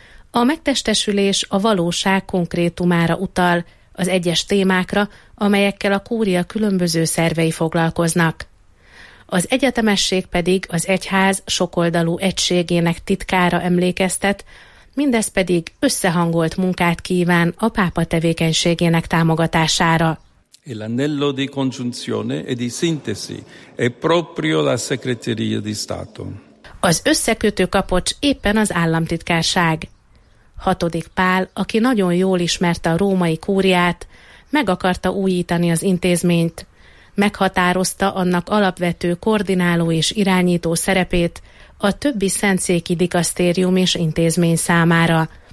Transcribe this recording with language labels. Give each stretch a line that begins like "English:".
Hungarian: A megtestesülés a valóság konkrétumára utal, az egyes témákra, amelyekkel a kúria különböző szervei foglalkoznak. Az egyetemesség pedig az egyház sokoldalú egységének titkára emlékeztet, mindez pedig összehangolt munkát kíván a pápa tevékenységének támogatására.
Italian: L'anello di congiunzione e di sintesi è proprio la Segreteria di Stato.
Hungarian: Az összekötő kapocs éppen az államtitkárság. VI. Pál, aki nagyon jól ismerte a római kúriát, meg akarta újítani az intézményt. Meghatározta annak alapvető koordináló és irányító szerepét a többi szentszéki dikasztérium és intézmény számára.